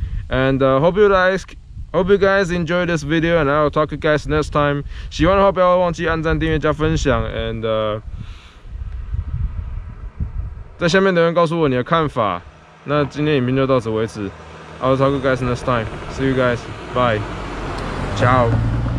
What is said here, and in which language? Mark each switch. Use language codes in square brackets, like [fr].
[en] And hope you guys enjoy this video, and I'll talk to you guys next time. [zh] 喜欢的话不要忘记按赞、订阅、加分享。 [en] And [zh] 在下面留言告诉我你的看法。那今天影片就到此为止。 [en] I'll talk to you guys next time. See you guys. Bye. Ciao.